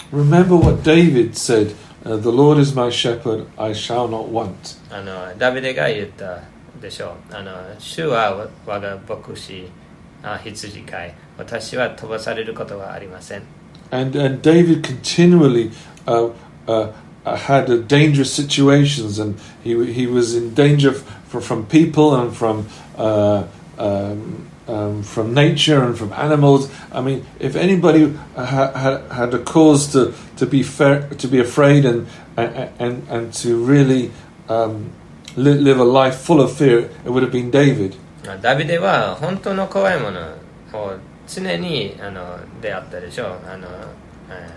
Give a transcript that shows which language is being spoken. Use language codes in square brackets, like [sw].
[en] Remember what David said, the Lord is my shepherd, I shall not want. [ja] ダビデが言ったでしょう。主は我が牧師、羊飼い、私は飛ばされることはありません。 [en] And David continually had a dangerous situations, and he was in danger from people and from nature and from animals. I mean, if anybody had a cause to be afraid and to really live a life full of fear, it would have been David. [ja] ダビデは本当の怖いものを常に出会ったでしょう。